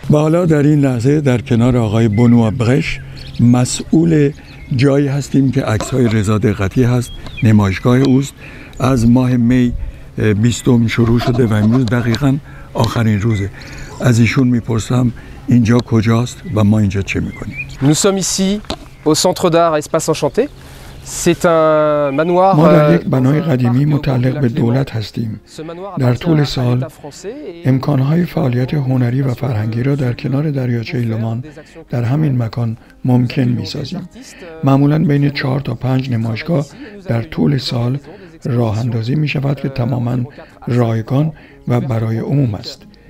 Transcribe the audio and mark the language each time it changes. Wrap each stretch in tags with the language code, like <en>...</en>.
<fa>و حالا در این لحظه در کنار آقای بونو ابرش مسئول جایی هستیم که عکس‌های رضا دقتی هست، نمایشگاه اوست. از ماه می 20 شروع شده و امروز دقیقاً آخرین روزه. از ایشون میپرسم اینجا کجاست و ما اینجا چه میکنیم.</fa> <fr>Nous sommes ici au centre d'art Espace Enchanté. C'est un manoir.</fr> <fa>ما در یک بنای قدیمی متعلق به دولت هستیم. در طول سال امکانهای فعالیت هنری و فرهنگی را در کنار دریاچه لمان در همین مکان ممکن میسازیم. معمولا بین 4 تا 5 نمایشگاه در طول سال راه اندازی می شود که تماما رایگان و برای عموم است.</fa>